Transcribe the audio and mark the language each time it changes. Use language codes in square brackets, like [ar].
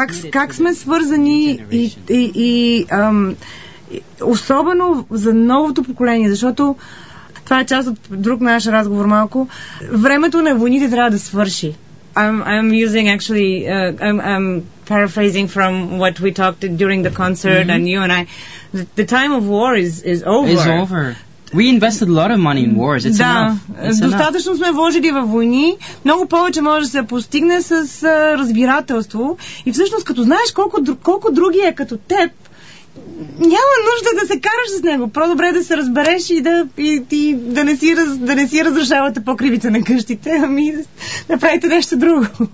[bg] как сме свързани и особено за новото поколение, защото това е част от друг наш разговор малко. Времето на войните трябва да свърши. [en] I'm paraphrasing from what we talked during the concert, mm-hmm. and you and I. The time of war is over. It's over. We invested a lot of money in wars. It's [bg] да, [en] enough. [bg] Достатъчно сме вложили във войни. Много повече може да се постигне с разбирателство. И всъщност, като знаеш колко други е като теб, няма нужда да се караш с него. По-добре да се разбереш и да не си разрешавате покривица на къщите, ами да правите нещо друго.